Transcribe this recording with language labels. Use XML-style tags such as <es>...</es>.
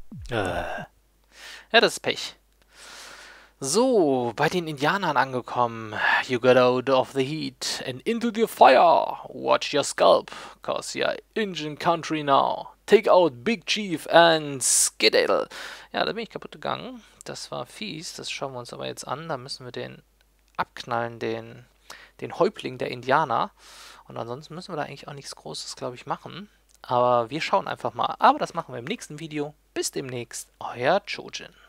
<de>Ja, das ist Pech. So, bei den Indianern angekommen.</de> <en>You got out of the heat and into the fire. Watch your scalp, cause you're Indian country now. Take out Big Chief and Skedaddle.</en> <de>Ja, da bin ich kaputt gegangen. Das war fies, das schauen wir uns aber jetzt an. Da müssen wir den abknallen, den Häuptling der Indianer. Und ansonsten müssen wir da eigentlich auch nichts Großes, glaube ich, machen. Aber wir schauen einfach mal. Aber das machen wir im nächsten Video. Bis demnächst, euer Chojin.</de>